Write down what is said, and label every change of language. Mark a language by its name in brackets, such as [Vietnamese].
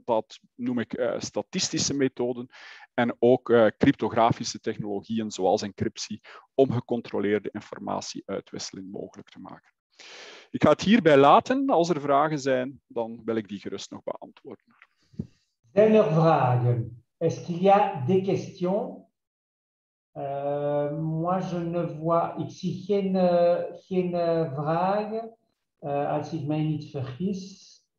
[Dutch] Dat noem ik statistische methoden. En ook cryptografische technologieën zoals encryptie om gecontroleerde informatieuitwisseling mogelijk te maken. Ik ga het hierbij laten. Als er vragen zijn, dan wil ik die gerust nog beantwoorden. Zijn er vragen? [French] Est-ce qu'il y a des questions? Moi, je ne vois ici [Dutch] geen vraag, als ik mij niet vergis.